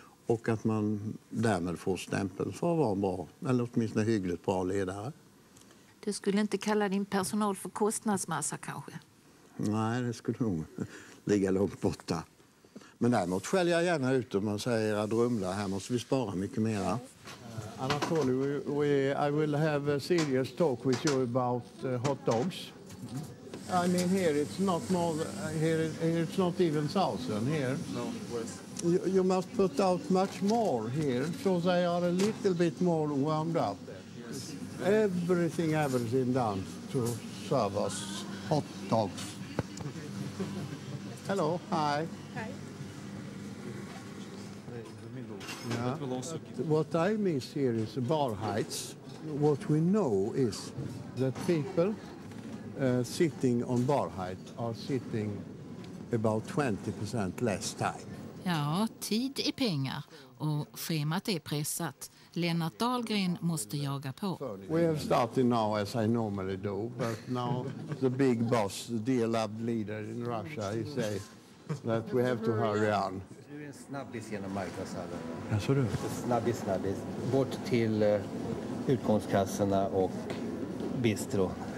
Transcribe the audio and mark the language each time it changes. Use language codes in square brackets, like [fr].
[sv] Och att man därmed får stämpel för att vara en bra, eller åtminstone hyggligt bra ledare. Du skulle inte kalla din personal för kostnadsmassa kanske? Nej, det skulle nog ligga långt borta. Men däremot skäller jag gärna ut om man säger att rumla, här måste vi spara mycket mer. [en] Anatoly, I will have a serious talk with you about hot dogs. I mean here it's not more, here it's not even 1,000 here. No, yes. You must put out much more here, so they are a little bit more wound up. Everything done to serve us hot dogs. Hello, hi. Hi. Yeah. What I miss here is the bar heights. What we know is that people sitting on bar height are sitting about 20% less time. [sv] Ja, tid är pengar och schemat är pressat. Lennart Dahlgren måste jaga på. [en] We have started now as I normally do, but now the big boss, the dear-loved leader in Russia, he say that we have to hurry on. [sv] Du är en snabbis genom marknadshallen. Ja, så du? Snabbis, snabbis. Bort till utgångskassorna och bistro.